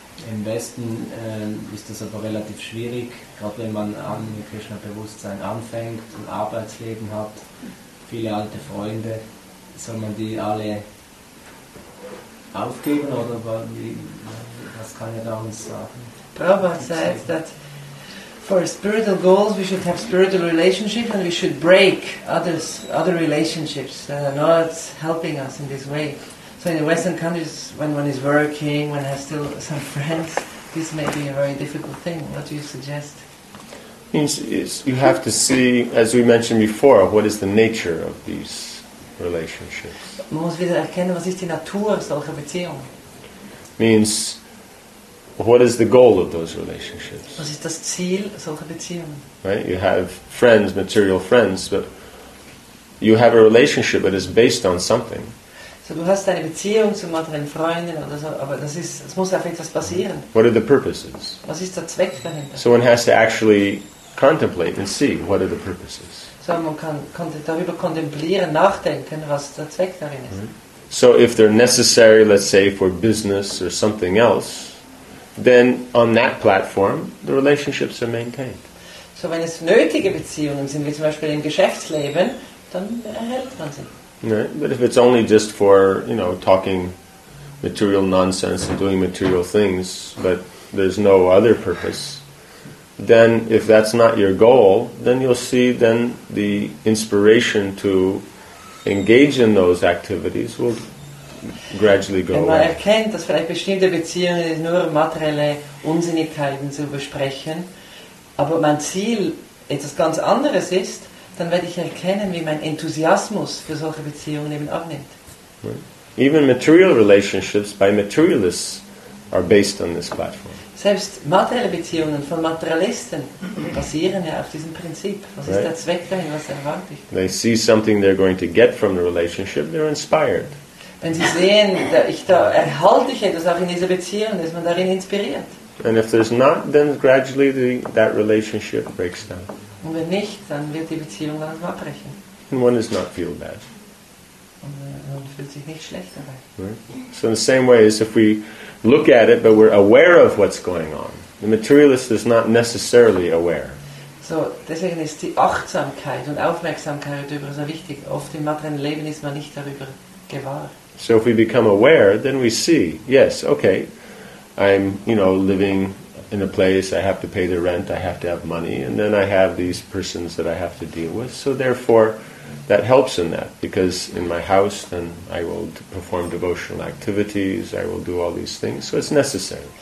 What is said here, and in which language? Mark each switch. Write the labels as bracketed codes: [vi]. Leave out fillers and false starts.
[de] Im Westen ist das aber relativ schwierig, gerade wenn man an Krishna-Bewusstsein anfängt und Arbeitsleben hat, viele alte Freunde. Soll man die alle aufgeben oder was kann er da uns sagen? [en] Prabhupada said that for spiritual goals we should have spiritual relationships and we should break other relationships that are not helping us in this way. So in the Western countries, when one is working, when one has still some friends, this may be a very difficult thing. What do you suggest? You have to see, as we mentioned before, what is the nature of these relationships. [de] Man muss wieder erkennen, was ist die Natur solcher Beziehungen. [en] Means, what is the goal of those relationships? [de] Was ist das Ziel solcher Beziehungen? [en] Right, you have friends, material friends, but you have a relationship that is based on something. [de] So du hast eine Beziehung zu materiellen Freunden oder so, aber das muss auf etwas basieren. [en] What are the purposes? [de] Was ist der Zweck dahinter? [en] So one has to actually contemplate and see what are the purposes. [de] So man kann darüber kontemplieren, nachdenken, was der Zweck darin ist. [en] So if they're necessary, let's say for business or something else, then on that platform the relationships are maintained. [de] So wenn es nötige Beziehungen sind, wie zum Beispiel im Geschäftsleben, dann erhält man sie. [en] Right. But if it's only just for, you know, talking material nonsense and doing material things, but there's no other purpose, then if that's not your goal, then you'll see then the inspiration to engage in those activities will gradually go away. [de] Wenn man erkennt, dass vielleicht bestimmte Beziehungen nur materielle Unsinnigkeiten zu besprechen, aber mein Ziel etwas ganz anderes ist, dann werde ich erkennen, wie mein Enthusiasmus für solche Beziehungen eben abnimmt. [en] Even material relationships by materialists are based on this platform. [de] Selbst materielle Beziehungen von Materialisten basieren ja auf diesem Prinzip. Was ist der Zweck dahin, was erwarte ich? [en] They see something they're going to get from the relationship, they're inspired. [de] Wenn sie sehen, erhalte ich etwas auch in dieser Beziehung, ist man darin inspiriert. [en] And if there's not, then gradually that relationship breaks down. [de] Und wenn nicht, dann wird die Beziehung dann abbrechen. [en] And one does not feel bad. [de] Und man fühlt sich nicht schlecht dabei. [en] Right. So in the same way as if we look at it, but we're aware of what's going on. The materialist is not necessarily aware. [de] So deswegen ist die Achtsamkeit und Aufmerksamkeit darüber so wichtig. Oft im materiellen Leben ist man nicht darüber gewahr. [en] So if we become aware, then we see, yes, okay, I'm, you know, living in a place, I have to pay the rent, I have to have money, and then I have these persons that I have to deal with. So therefore, that helps in that, because in my house, then I will perform devotional activities, I will do all these things, so it's necessary.